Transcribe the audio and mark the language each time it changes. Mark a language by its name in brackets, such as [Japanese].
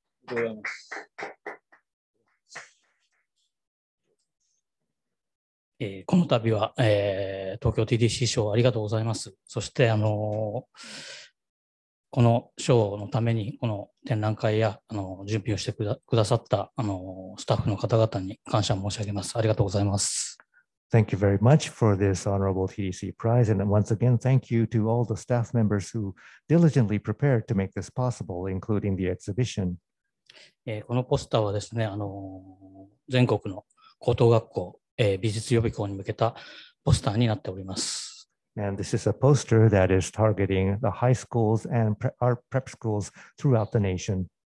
[Japanese] おめでとうございます。この度は、東京 TDC 賞ありがとうございます。そしてこの賞のためにこの展覧会や準備をしてくださったスタッフの方々に感謝申し上げます。ありがとうございます。 [English] Thank you very much for this honorable TDC prize and once again thank you to all the staff members who diligently prepared to make this possible including the exhibition。 [Japanese] このポスターはですね全国の高等学校美術予備校に向けたポスターになっております。 [English] And this is a poster that is targeting the high schools and art prep schools throughout the nation.